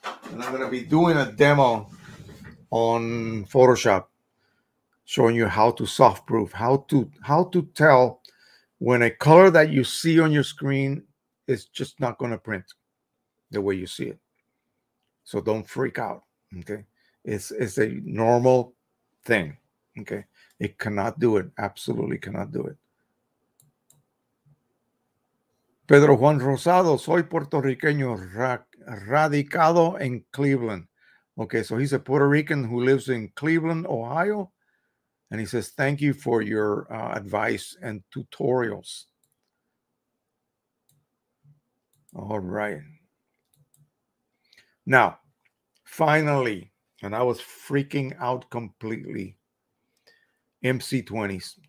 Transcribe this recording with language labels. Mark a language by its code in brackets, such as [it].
[en] And I'm going to be doing a demo on Photoshop, showing you how to soft proof, how to tell when a color that you see on your screen is just not going to print the way you see it. So don't freak out. Okay. It's a normal thing. Okay. It cannot do it. Absolutely cannot do it. [es] Pedro Juan Rosado, soy puertorriqueño, radicado en Cleveland. [en] Okay, so he's a Puerto Rican who lives in Cleveland, Ohio. And he says, thank you for your advice and tutorials. All right. Now, finally, and I was freaking out completely, MC20s.